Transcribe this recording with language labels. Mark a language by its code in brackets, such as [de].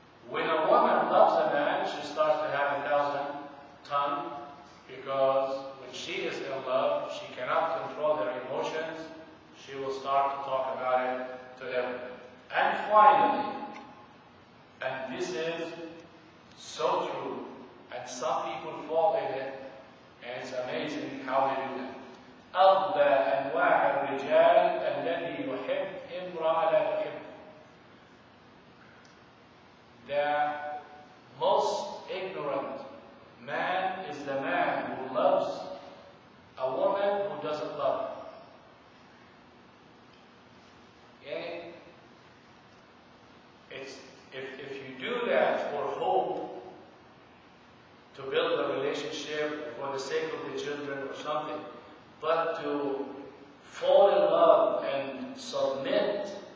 [en] When a woman loves a man, she starts to have a thousand tongue, because when she is in love, she cannot control her emotions, she will start to talk about it to him. And finally, and this is so true, and some people fall in it, and it's amazing how they do that. [ar] أغلى أنواع الرجال الذي يحب امرأة لا يحب. [en] The most ignorant man is the man who loves a woman who doesn't love her. If you do that for hope, to build a relationship for the sake of the children or something, but to fall in love and submit